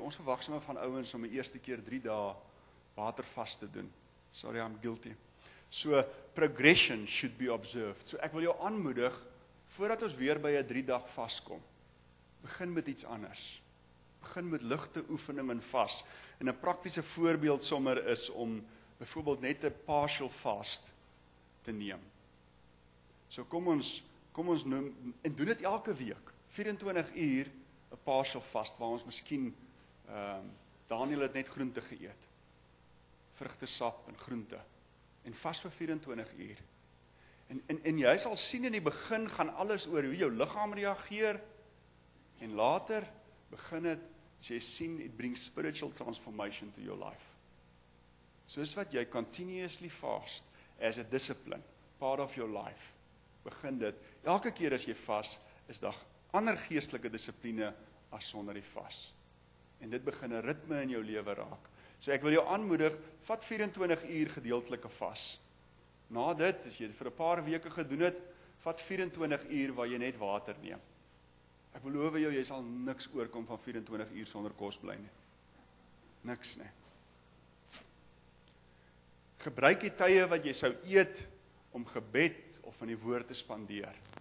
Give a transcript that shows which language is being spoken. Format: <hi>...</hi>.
<af>Ons verwag sommer van ouens om die eerste keer 3 dae watervas te doen.</af> <en>Sorry, I'm guilty. So progression should be observed.</en> <af>So ek wil jou aanmoedig, voordat ons weer by 'n 3-dag vas kom, begin met iets anders. Begin met ligte oefening en vas. En 'n praktiese voorbeeld sommer is om byvoorbeeld net 'n</af> <en>partial fast</en> <af>te neem. So kom ons noem, en doen dit elke week. 24 uur 'n</af> <en>partial fast</en> <af>waar ons miskien Daniel het net groente geëet. Vrugtesap en groente. En vas vir 24 uur. En jy sal sien in die begin gaan alles oor hoe jou liggaam reageer en later begin het, as jy sien,</af> <en>it brings spiritual transformation to your life.</en> <af>So is wat jy</af> <en>continuously fast as a discipline, part of your life,</en> <af>begin dit. Elke keer as jy vas, is daar ander geestelike dissipline as sonder die vas. En dit begin 'n ritme in jou lewe raak. So ek wil jou aanmoedig, vat 24 uur gedeeltelike vas. Na dit, as jy dit vir 'n paar weke gedoen het, vat 24 uur waar jy net water neem. Ek beloof jou, jy sal niks oorkom van 24 uur sonder kos bly nie. Niks nie. Gebruik die tye wat jy sou eet om gebed of van die woord te spandeer.</af>